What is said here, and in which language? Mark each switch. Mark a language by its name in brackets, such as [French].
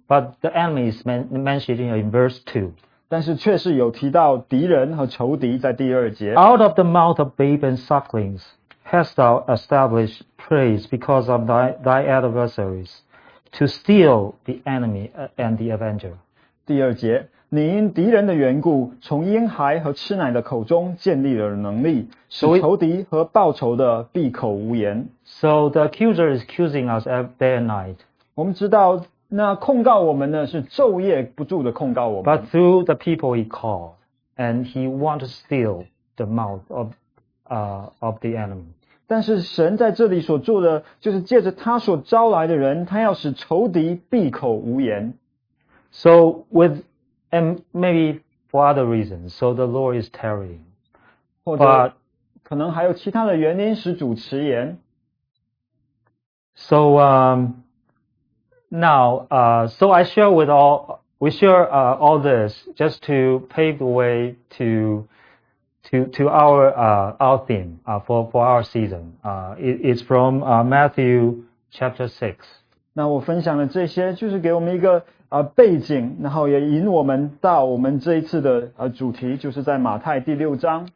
[English] But the enemy is mentioned in verse 2. [Chinese] 但是确实有提到敌人和仇敌在第二节。 [English] Out of the mouth of babes and sucklings hast thou established praise because of thy adversaries to steal the enemy and the avenger. [Chinese] 第二节。你因敌人的缘故，从婴孩和吃奶的口中建立了能力，使仇敌和报仇的闭口无言。 [English] So the accuser is accusing us every day and night. [Chinese] 我们知道，那控告我们呢，是昼夜不住的控告我们。 [English] But through the people he called, and he wants to steal the mouth of the enemy. [Chinese] 但是神在这里所做的，就是借着他所招来的人，他要使仇敌闭口无言。 [English] So withAnd maybe for other reasons, so the Lord is tarrying. [Chinese] 或者 But, 可能还有其他的原因使主迟延。 [English] So, now, I share with all, we share, all this just to pave the way to our theme, for our season. It's from, Matthew chapter 6. [Chinese] 那我分享的这些就是给我们一个背景，然后也引我们到我们这一次的主题，就是在马太第六章。